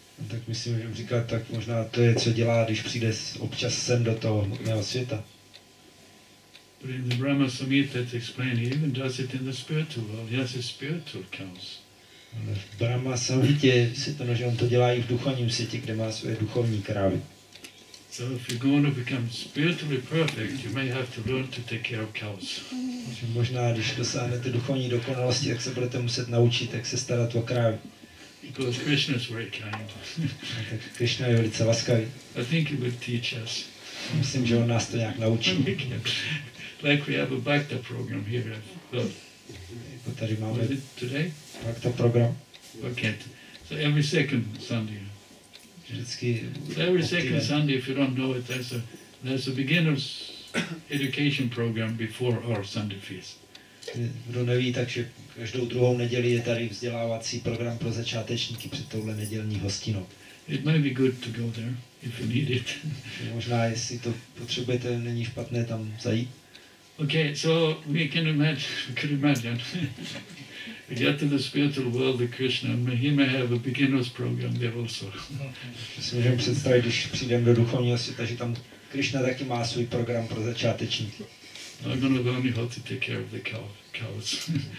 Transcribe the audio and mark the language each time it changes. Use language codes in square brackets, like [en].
[cs] Tak myslím, že říká, tak možná to je, co dělá, když přijde občas sem do toho hmotného světa. [en] But in the Brahma Samhita it's explained, he even does it in the spiritual world. He has his spiritual cows. [cs] Ale v Brahma Samhitě se to, že on to dělá i v duchovním světě, kde má své duchovní krávy. [en] So if you're going to become spiritually perfect, you may have to learn to take care of cows. [cs] Možná, když dosáhnete duchovní dokonalosti, tak se budete muset naučit, jak se starat o krávy. [en] Because Krishna is very kind. [cs] Krishna je velice laskavý. [en] I think he will teach us. [cs] Myslím, že on nás to nějak naučí. [en] Like we have a Bhakta program here. [cs] Jako tady máme [en] it today? [cs] Bhakta program. [en] Okay. So every second Sunday. [cs] Vždycky. [en] So every second Sunday, if you don't know it, there's a beginner's education program before our Sunday feast. [cs] Kdo neví, takže každou druhou neděli je tady vzdělávací program pro začátečníky před touhle nedělní hostinou. [en] It might be good to go there if you need it. [cs] Možná, jestli to potřebujete, není špatné tam zajít. [en] Okay, so we can imagine. We get to the spiritual world of Krishna, he may have a beginner's program there also. [cs] Si můžeme představit, když přijdeme do duchovního světa, že tam Krishna taky má svůj program pro začátečníky. [en] No, I'm gonna learn how to take care of the cow, cows.